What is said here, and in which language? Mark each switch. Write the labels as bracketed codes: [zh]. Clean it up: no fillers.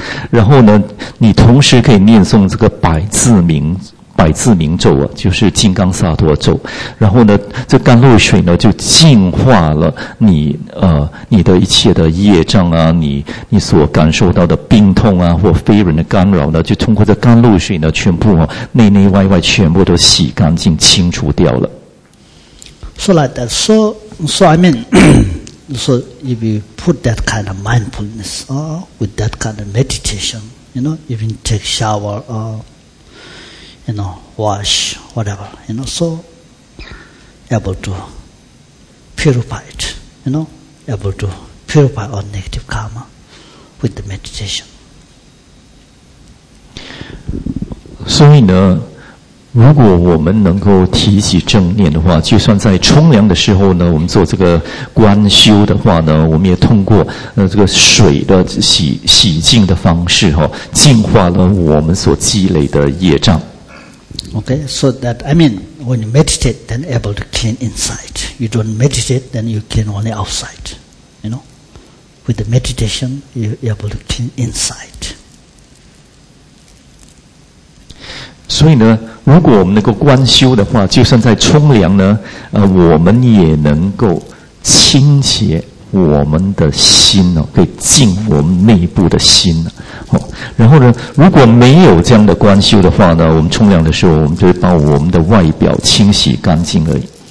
[zh] 然后呢，你同时可以念诵这个百字明咒啊，就是金刚萨埵咒，然后呢，这甘露水呢就净化了你的一切的业障啊，你所感受到的病痛啊，或非人的干扰呢，就通过这甘露水呢，全部内内外外全部都洗干净、清除掉了。 [en] So like that, so I mean, so if you put that kind of mindfulness, with that kind of meditation, you know, even take shower, you know, wash, whatever, you know, so able to purify it, you know, able to purify our negative karma with the meditation. [zh] 所以呢，如果我们能够提起正念的话，就算在冲凉的时候呢，我们做这个观修的话呢，我们也通过这个水的洗净的方式哈，净化了我们所积累的业障。 [en] Okay, so that, I mean, when you meditate, then able to clean inside. You don't meditate, then you clean only outside. You know? With the meditation, you're able to clean inside. [zh] 所以呢，如果我们能够观修的话，就算在冲凉呢，我们也能够清洁我们的心哦，可以净我们内部的心哦。然后呢，如果没有这样的观修的话呢，我们冲凉的时候，我们就会把我们的外表清洗干净而已。